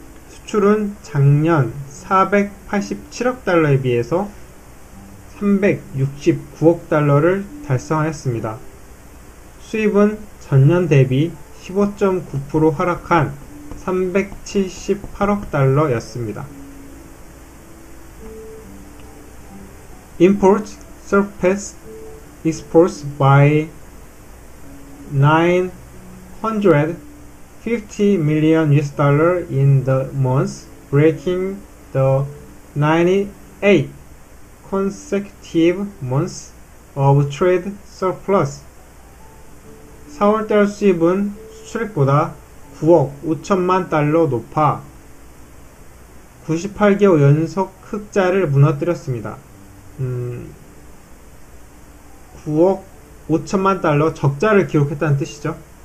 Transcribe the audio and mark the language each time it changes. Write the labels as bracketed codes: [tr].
[ko] 수출은 작년 487억 달러에 비해서 369억 달러를 달성하였습니다. 수입은 전년 대비 15.9% 하락한 378억 달러였습니다. [en] Imports surpassed exports by 950 million US dollar in the month, breaking the 98 consecutive months of trade surplus. [ko] 4월달 수입은 수출액보다 9억 5천만 달러 높아 98개월 연속 흑자를 무너뜨렸습니다. 9억 5천만 달러 적자를 기록했다는 뜻이죠.